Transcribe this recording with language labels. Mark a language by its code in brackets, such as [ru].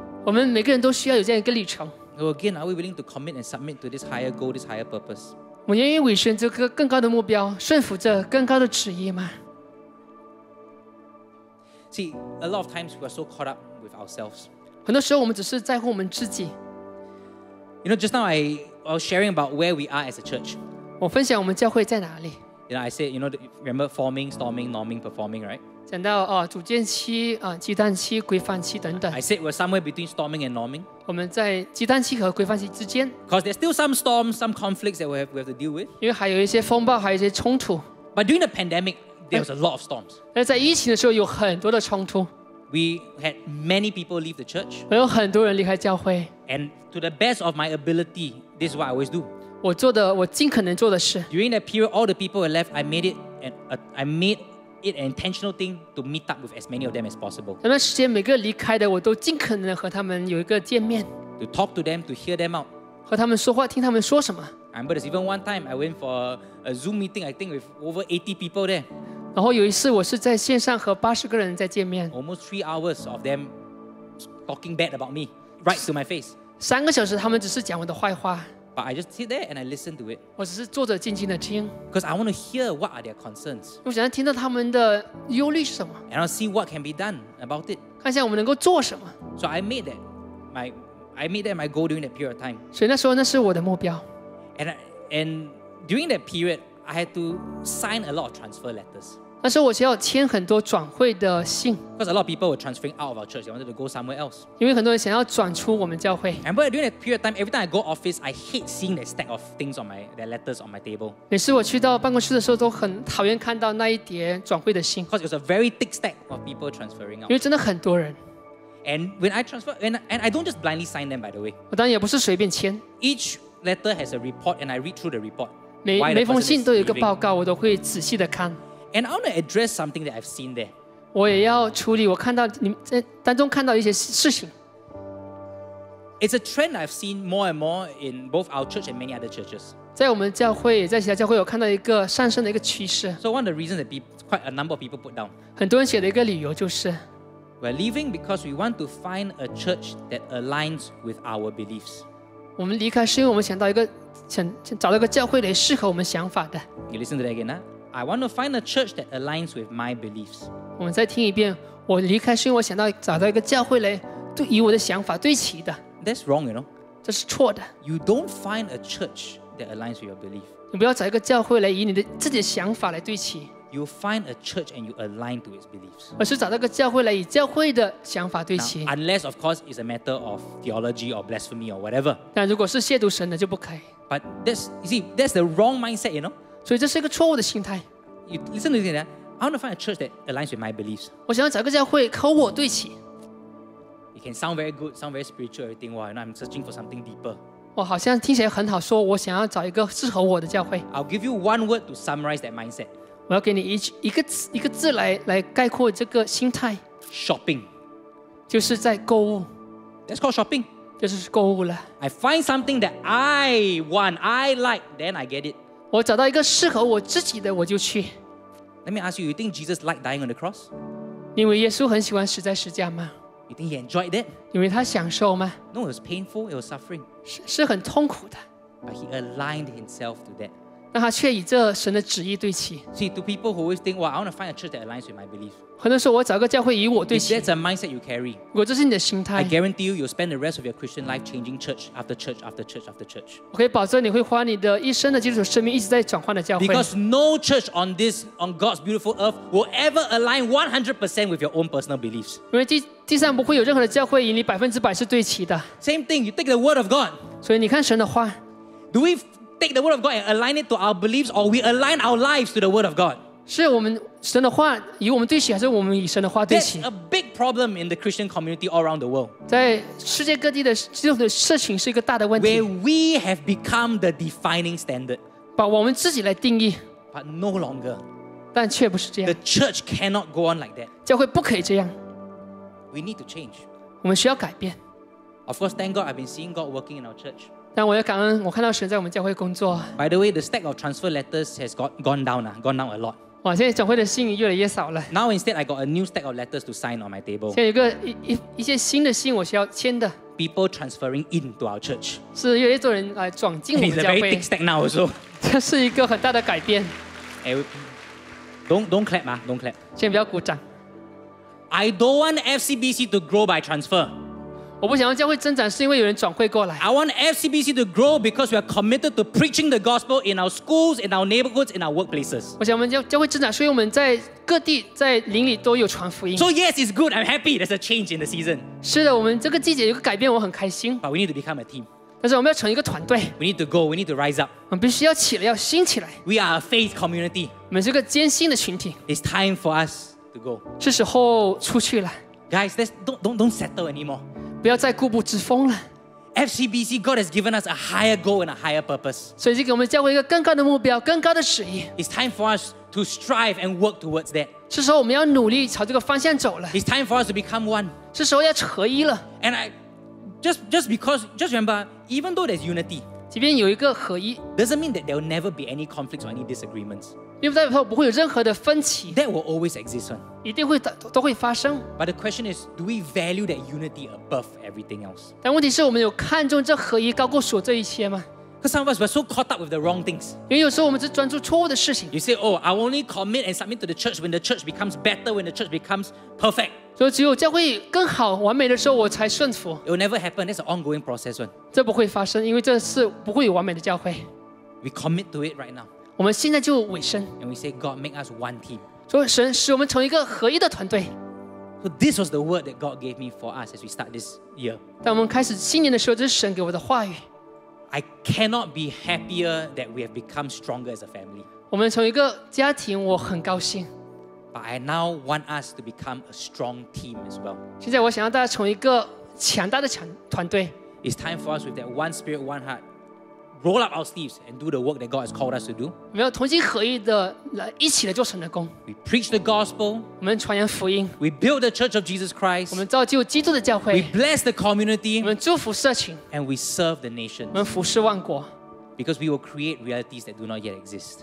[zh] 我们每个人都需要有这样一个旅程。 [en] So again, are we willing to commit and submit to this higher goal, this higher purpose? [zh] 我愿意委身这个更高的目标，顺服这更高的旨意吗？ [en] See, a lot of times we are so caught up with ourselves. [zh] 很多时候我们只是在乎我们自己。 [en] You know, just now I was sharing about where we are as a church. [zh] 我分享我们教会在哪里。 [en] You know, I said, you know, remember forming, storming, norming, performing, right? [zh] 讲到哦，组建期啊，鸡蛋期、规范期等等。 [en] I said we're somewhere between storming and norming. [zh] 我们在鸡蛋期和规范期之间。 [en] Because there's still some storms, some conflicts that we have to deal with. [zh] 因为还有一些风暴，还有一些冲突。 [en] But during the pandemic. There was a lot of storms. [zh] 但在疫情的时候有很多的冲突。 [en] We had many people leave the church. [zh] 我有很多人离开教会。 [en] And to the best of my ability, this is what I always do. [zh] 我做的，我尽可能做的事。 [en] During that period, all the people who left, I made it an intentional thing to meet up with as many of them as possible. [zh] 那段时间每个离开的，我都尽可能和他们有一个见面。 [en] To talk to them, to hear them out. [zh] 和他们说话，听他们说什么。 [en] I remember there's even one time I went for a Zoom meeting, I think with over 80 people there. [zh] 然后有一次我是在线上和80个人在见面。 [en] Almost 3 hours of them talking bad about me, right to my face. 3 hours, [zh] 他们只是讲我的坏话。 [en] But I just sit there and I listen to it. [zh] 我只是坐着静静的听。 [en] Because I want to hear what are their concerns. [zh] 我想要听到他们的忧虑是什么。 [en] And I'll see what can be done about it. [zh] 看一下我们能够做什么。 [en] So I made that my goal during that period of time. [zh] 所以那时候那是我的目标。 [en] And during that period, I had to sign a lot of transfer letters. [zh] 那时候我需要签很多转会的信。 [en] Because a lot of people were transferring out of our church, they wanted to go somewhere else. [zh] 因为很多人想要转出我们教会。 [en] And but during that period of time, every time I go office, I hate seeing that stack of things on my that letters on my table. [zh] 每次我去到办公室的时候，都很讨厌看到那一叠转会的信。 [en] Because it was a very thick stack of people transferring out. [zh] 因为真的很多人。 [en] And when I transfer, and I don't just blindly sign them, by the way. [zh] 我当然也不是随便签。 [en] Each letter has a report and I read through the report. [zh] 每封信都有一个报告，我都会仔细的看。 [en] And I want to address something that I've seen there. [zh] 我也要处理，我看到你在当中看到一些事情。 [en] It's a trend I've seen more and more in both our church and many other churches. [zh] 在我们教会，在其他教会，我看到一个上升的一个趋势。 [en] So one of the reasons that quite a number of people put down. [zh] 很多人写的一个理由就是。 [en] We're leaving because we want to find a church that aligns with our beliefs. [zh] 我们离开是因为我们想到一个 想找到一个教会来适合我们想法的。 [en] You listen to that again, huh? I want to find a church that aligns with my beliefs. [zh] 我们再听一遍。我离开是因为我想到找到一个教会来对以我的想法对齐的。 [en] That's wrong, you know. [zh] 这是错的。 [en] You don't find a church that aligns with your belief. [zh] 你不要找一个教会来以你的自己的想法来对齐。 [en] You find a church and you align to its beliefs. [zh] 而是找到一个教会来以教会的想法对齐。 [en] Now, unless, of course, it's a matter of theology or blasphemy or whatever. [zh] 但如果是亵渎神的就不可以。 [en] But that's the wrong mindset, you know? [zh] 所以这是一个错误的心态。 [en] You listen to me, I want to find a church that aligns with my beliefs. [zh] 我想要找个教会和我对齐。 [en] It can sound very good, sound very spiritual, everything. Wow, you know, I'm searching for something deeper. [zh] 我好像听起来很好说，我想要找一个适合我的教会。 [en] I'll give you one word to summarize that mindset. [zh] 我要给你一个字来概括这个心态。 [en] Shopping， [zh] 就是在购物。 [en] That's called shopping， [zh] 就是购物了。 [en] I find something that I want, I like, then I get it。 [zh] 我找到一个适合我自己的，我就去。 [en] Let me ask you, you think Jesus liked dying on the cross？ [zh] 你以为耶稣很喜欢死在十字架吗 [en] ？You think he enjoyed it？ [zh] 你以为他享受吗 [en] ？No, it was painful, it was suffering。 [zh] 是很痛苦的。 [en] But he aligned himself to that。 [zh] 但他却以这神的旨意对齐。 [en] See, to people who always think, well, I want to find a church that aligns with my belief. [zh] 可能说我找个教会与我对齐。 [en] If that's a mindset you carry, [zh] 如果这是你的心态， [en] I guarantee you, you'll spend the rest of your Christian life changing church after church after church after church. [zh] 我可以保证你会花你的一生的基础生命一直在转换的教会。 [en] Because no church on this, on God's beautiful earth, will ever align 100% with your own personal beliefs. [zh] 因为地上不会有任何的教会与你百分之百是对齐的。 [en] Same thing, you take the word of God. [zh] 所以你看神的话。 [en] Do we... take the word of God and align it to our beliefs, or we align our lives to the word of God. [zh] 是我们神的话与我们对齐，还是我们与神的话对齐？ [en] That's a big problem in the Christian community all around the world. [zh] 在世界各地的基督徒的事情是一个大的问题。 [en] Where we have become the defining standard. [zh] 把我们自己来定义。 [en] But no longer. [zh] 但却不是这样。 [en] The church cannot go on like that. [zh] 教会不可以这样。 [en] We need to change. [zh] 我们需要改变。 [en] Of course, thank God, I've been seeing God working in our church. [zh] 但我也感恩，我看到神在我们教会工作。 [en] By the way, the stack of transfer letters has gone down a lot. [zh] 哇，现在教会的信越来越少了。 [en] Now instead, I got a new stack of letters to sign on my table. [zh] 现在有一些新的信我需要签的。 [en] People transferring into our church. [zh] 是越来越多人来闯进我们教会。 [en] It's a very thick stack now, also. [zh] 这是一个很大的改变。Hey, [en] don't clap, ma. Don't clap. [zh] 先不要鼓掌。 [en] I don't want FCBC to grow by transfer. [zh] 我不想要教会增长，是因为有人转会过来。 [en] I want FCBC to grow because we are committed to preaching the gospel in our schools, in our neighborhoods, in our workplaces. [zh] 我想我们教会增长，是因为我们在各地、在邻里都有传福音。 [en] So yes, it's good. I'm happy. There's a change in the season. [zh] 是的，我们这个季节有个改变，我很开心。 [en] But we need to become a team. [zh] 但是我们要成一个团队。 [en] We need to go. We need to rise up. [zh] 我们必须要起来，要兴起来。 [en] We are a faith community. [zh] 我们是个坚信的群体。 [en] It's time for us to go. [zh] 是时候出去了。 [en] Guys, let's don't settle anymore. [zh] 不要再固步自封了。 [en] FCBC, God has given us a higher goal and a higher purpose. [zh] 所以就给我们教会一个更高的目标，更高的旨意。 [en] It's time for us to strive and work towards that. [zh] 是时候我们要努力朝这个方向走了。 [en] It's time for us to become one. [zh] 是时候要合一了。 [en] And I, just remember, even though there's unity, [zh] 即便有一个合一 [en] doesn't mean that there will never be any conflicts or any disagreements. [zh] 并不代表不会有任何的分歧。 [en] That will always exist, one. [zh] 一定会都会发生。 [en] But the question is, do we value that unity above everything else? [zh] 但问题是我们有看重这合一高过所有这一切吗？ [en] Because some of us were so caught up with the wrong things. [zh] 因为有时候我们只专注错误的事情。 [en] You say, oh, I only commit and submit to the church when the church becomes better, when the church becomes perfect. [zh] 所以只有教会更好完美的时候我才顺服。 [en] It will never happen. That's an ongoing process, one. [zh] 这不会发生，因为这是不会有完美的教会。 [en] We commit to it right now. [zh] 我们现在就委身 [en] and we say God make us one team. [zh] 说神使我们成一个合一的团队。 [en] So this was the word that God gave me for us as we start this year. [zh] 当我们开始新年的时候，这是神给我的话语。 [en] I cannot be happier that we have become stronger as a family. [zh] 我们从一个家庭，我很高兴。 [en] But I now want us to become a strong team as well. [zh] 现在我想要大家从一个强大的团队。 [en] It's time for us with that one spirit, one heart. Roll up our sleeves and do the work that God has called us to do. [zh] 没有同心合一的来一起来做神的工。 [en] We preach the gospel. [zh] 我们传扬福音。 [en] We build the church of Jesus Christ. [zh] 我们造就基督的教会。 [en] We bless the community. [zh] 我们祝福社群。 [en] And we serve the nations. [zh] 我们服侍万国。 [en] Because we will create realities that do not yet exist.